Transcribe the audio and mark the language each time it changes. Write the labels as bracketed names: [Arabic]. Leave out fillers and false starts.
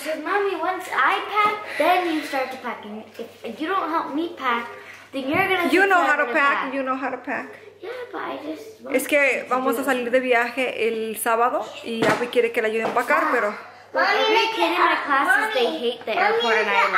[English] Because mommy, once I pack, then you start to pack. If you don't help me pack, then you're gonna. You know how to pack. You know how to pack. Yeah, but I just. [Spanish] Es que vamos a salir de viaje el sábado y Abby quiere que la ayude a empacar, pero. [English] Every kid in my classes, they hate the airport, and I love it.